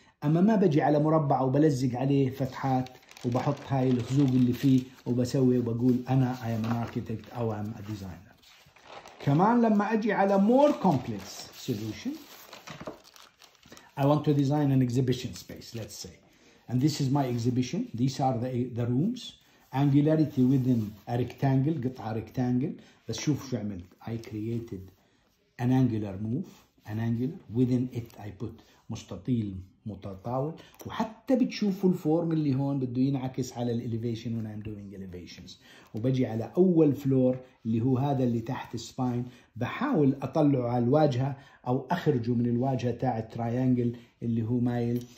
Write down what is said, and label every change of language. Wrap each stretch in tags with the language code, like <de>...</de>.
<ar>أما ما بجي على مربع وبلزق عليه فتحات وبحط هاي الخزوق اللي فيه وبسوي وبقول أنا</ar> <en>I am an architect</en> <ar>أو</ar> <en>I'm a designer.</en> <ar>كمان لما أجي على</ar> <en>more complex solution، I want to design an exhibition space let's say، and this is my exhibition، these are the rooms، angularity within a rectangle،</en> <ar>قطعة</ar> <en>rectangle.</en> <ar>بس شوف شو عملت،</ar> <en>I created an angular move، an angular within it I put</en> <ar>مستطيل متطاول، وحتى بتشوفوا الفورم اللي هون بده ينعكس على الاليفيشن</ar> <en>when I'm doing elevations.</en> <ar>وبجي على اول فلور اللي هو هذا اللي تحت السباين، بحاول اطلعه على الواجهة او اخرجه من الواجهة تاع التريانجل اللي هو مايل.</ar>